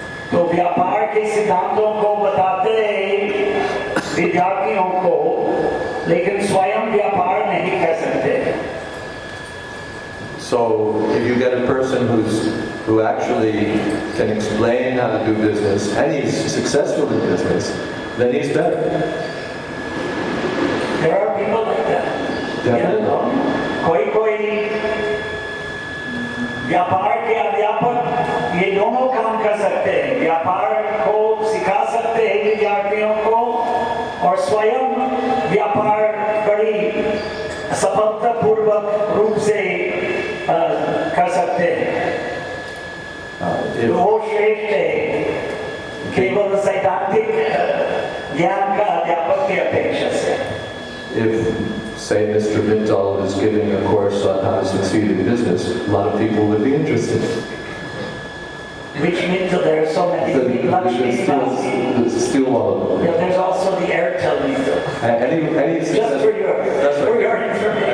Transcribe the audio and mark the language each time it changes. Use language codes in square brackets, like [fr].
[hi] तो व्यापार के सिद्धांतों को बताते हैं विद्यार्थियों को, लेकिन स्वयं व्यापार नहीं कर सकते. [en] So if you get a person who actually can explain how to do business and he's successful in business, then he's better. There are people like that. Definitely. You know, [hi] कोई कोई व्यापार के अध्यापक ये दोनों काम कर सकते हैं, व्यापार को सिखा सकते हैं विद्यार्थियों को और स्वयं व्यापार बड़ी सफलता पूर्वक रूप से कर सकते हैं. वो श्रेष्ठ है केवल सैद्धांतिक ज्ञान का अध्यापक की अपेक्षा से. [en] Say Mr. Mittal is giving a course on how to succeed in business, a lot of people would be interested. which means that there are so many Yeah, there's also the Airtel meter. Any just for your, that's right. For your information.